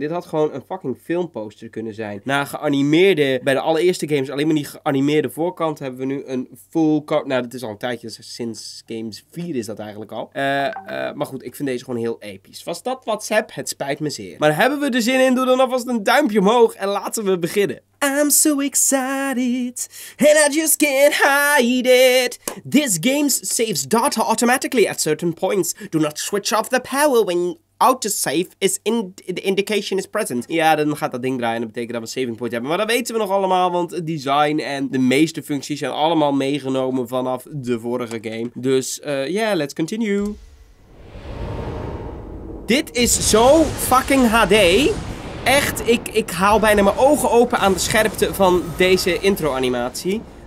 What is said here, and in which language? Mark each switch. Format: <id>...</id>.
<nl>Dit had gewoon een fucking filmposter kunnen zijn. Na geanimeerde, bij de allereerste games, alleen maar die geanimeerde voorkant, hebben we nu een full cover. Nou, dat is al een tijdje. Sinds games 4 is dat eigenlijk al. Maar goed, ik vind deze gewoon heel episch. Was dat WhatsApp? Het spijt me zeer. Maar hebben we er zin in? Doe dan alvast een duimpje omhoog en laten we beginnen.</nl> <en>I'm so excited, and I just can't hide it. This game saves data automatically at certain points. Do not switch off the power when autosave is in the indication is present.</en> <nl>Ja, dan gaat dat ding draaien en dat betekent dat we een saving point hebben. Maar dat weten we nog allemaal, want het design en de meeste functies zijn allemaal meegenomen vanaf de vorige game.</nl> <en>Dus let's continue.</en> <nl>Dit is zo fucking HD. Echt, ik haal bijna mijn ogen open aan de scherpte van deze intro-animatie.</nl>